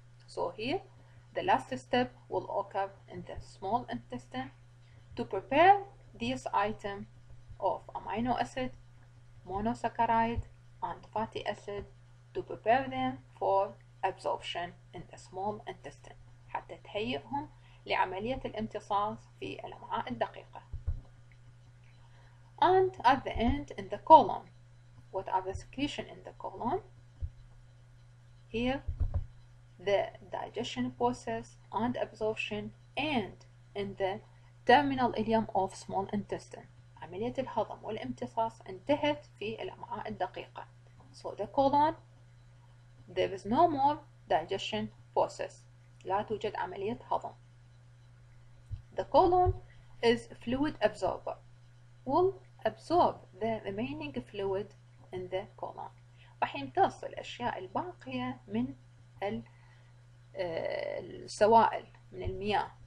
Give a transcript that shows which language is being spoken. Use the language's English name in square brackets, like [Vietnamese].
[English] So here, the last step will occur in the small intestine to prepare this item of amino acid, monosaccharide, and fatty acid to prepare them for absorption in the small intestine. [Arabic] حتى تهيئهم لعملية الامتصاص في الأمعاء الدقيقة. [English] And at the end, in the colon, what are the secretion in the colon? Here, the digestion process and absorption, and in the terminal ileum of small intestine. [Arabic] عملية الهضم والامتصاص انتهت في الأمعاء الدقيقة. [English] So the colon, there is no more digestion process. [Arabic] لا توجد عملية هضم. [English] The colon is a fluid absorber. Will absorb the remaining fluid in the colon. [Arabic] راح يمتص الأشياء الباقية من السوائل من المياه.